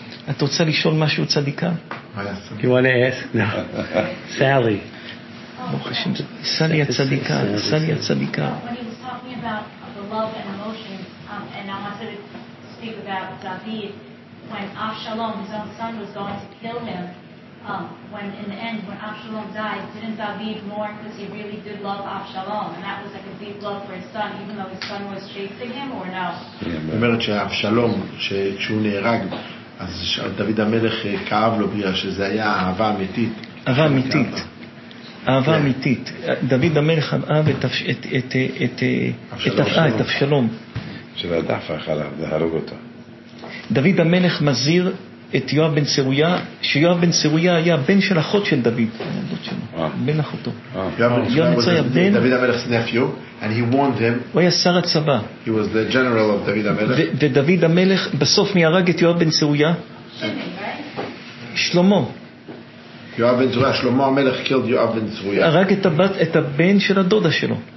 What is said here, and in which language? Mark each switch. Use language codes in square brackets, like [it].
[he] את רוצה לשאול משהו צדיקה? [en] You want to ask? No. Sally. [he] Sally הצדיקה. Sally הצדיקה. [en] When he was talking about the love and emotion, and I wanted to speak about David, when Avshalom, his own son, was going to kill him, when in the end, when Avshalom died, didn't David mourn because he really did love Avshalom? And that was like a deep love for his son, even though his son was chasing him, or no? [he] זאת אומרת שאבשלום, כשהוא נהרג, אז דוד המלך כאב לו בגלל שזה היה אהבה אמיתית. אהבה אמיתית. אהבה אמיתית. דוד המלך אהב את את את את את את אבשלום. שרדף אחריו והרוג אותו. דוד המלך מזהיר את יואב בן צרויה, שיואב בן צרויה היה בן של אחות של דוד, בן אחותו. [en] יואב בן צרויה, דוד המלך's nephew, and he warned him. [he] הוא היה שר הצבא. [en] He was the general of דוד המלך. [he] ודוד המלך בסוף מיהרג את יואב בן צרויה. שלמה. יואב בן צרויה, שלמה המלך killed יואב בן צרויה. הרג את הבת, את הבן של הדודה שלו.